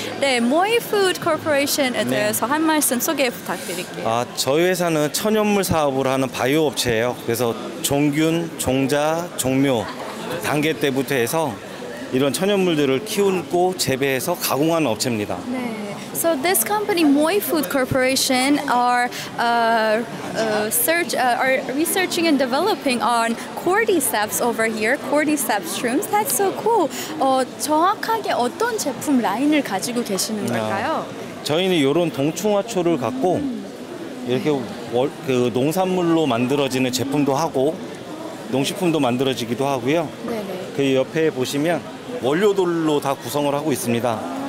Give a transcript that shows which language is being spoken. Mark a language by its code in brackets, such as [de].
[ko] 네, 모이푸 코퍼레이션에 대해서 네. 한 말씀 소개 부탁드릴게요. 아, 저희 회사는 천연물 사업을 하는 바이오 업체예요. 그래서 종균, 종자, 종묘 단계 때부터 해서 이런 천연물들을 키우고 재배해서 가공하는 업체입니다. 네. [en] So this company, Moi Food Corporation, are are researching and developing on cordyceps over here, cordyceps shrooms. That's so cool. [ko] 정확하게 어떤 제품 라인을 가지고 계시는 걸까요? 저희는 이런 동충하초를 갖고 이렇게 그 농산물로 만들어지는 제품도 하고 농식품도 만들어지기도 하고요. 네네. 그 옆에 보시면 원료들로 다 구성을 하고 있습니다.